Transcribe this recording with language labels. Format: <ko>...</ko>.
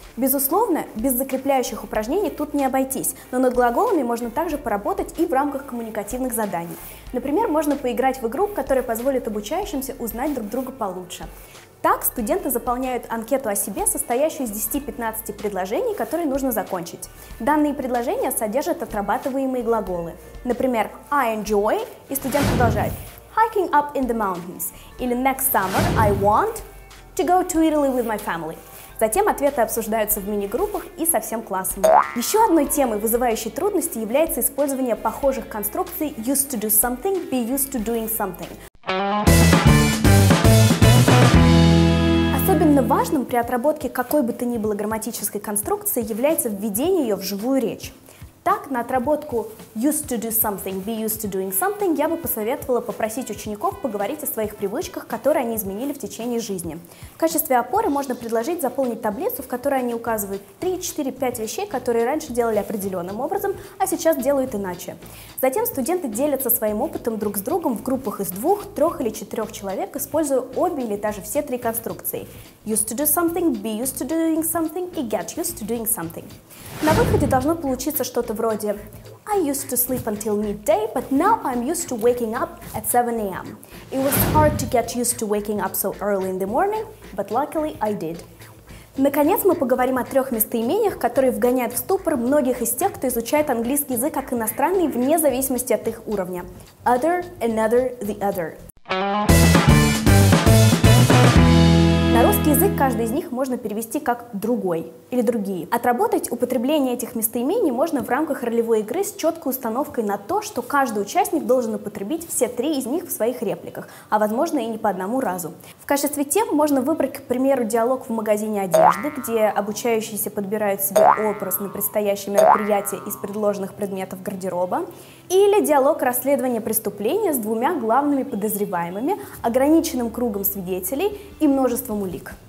<ru>Безусловно, без закрепляющих упражнений тут не обойтись, но над глаголами можно также поработать и в рамках коммуникативных заданий. Например, можно поиграть в игру, которая позволит обучающимся узнать друг друга получше. Так студенты заполняют анкету о себе, состоящую из 10-15 предложений, которые нужно закончить. Данные предложения содержат отрабатываемые глаголы.</ru> <en>Например, I enjoy,</en> <ru>и студент продолжает</ru> <en>hiking up in the mountains, или next summer I want to go to Italy with my family.</en> <ru>Затем ответы обсуждаются в мини-группах и со всем классом. Еще одной темой, вызывающей трудности, является использование похожих конструкций</ru> <en>used to do something, be used to doing something.</en> <ru>Особенно важным при отработке какой бы то ни было грамматической конструкции является введение ее в живую речь. Так, на отработку</ru> <en>used to do something, be used to doing something</en> <ru>я бы посоветовала попросить учеников поговорить о своих привычках, которые они изменили в течение жизни. В качестве опоры можно предложить заполнить таблицу, в которой они указывают 3-4-5 вещей, которые раньше делали определенным образом, а сейчас делают иначе. Затем студенты делятся своим опытом друг с другом в группах из 2, 3 или 4 человек, используя обе или даже все 3 конструкции.</ru> <en>Used to do something, be used to doing something и get used to doing something.</en> <ru>На выходе должно получиться что-то вроде</ru> <en>I used to sleep until midday, but now I'm used to waking up at 7 a.m. It was hard to get used to waking up so early in the morning, but luckily I did.</en> <ru>Наконец, мы поговорим о 3 местоимениях, которые вгоняют в ступор многих из тех, кто изучает английский язык как иностранный, вне зависимости от их уровня.</ru> <en>Other, another, the other. На русский</en> <ru>язык каждый из них можно перевести как «другой» или «другие». Отработать употребление этих местоимений можно в рамках ролевой игры с четкой установкой на то, что каждый участник должен употребить все три из них в своих репликах, а возможно и не по одному разу. В качестве тем можно выбрать, к примеру, диалог в магазине одежды, где обучающиеся подбирают себе образ на предстоящее мероприятие из предложенных предметов гардероба, или диалог расследования преступления с двумя главными подозреваемыми, ограниченным кругом свидетелей и множеством улик.</ru>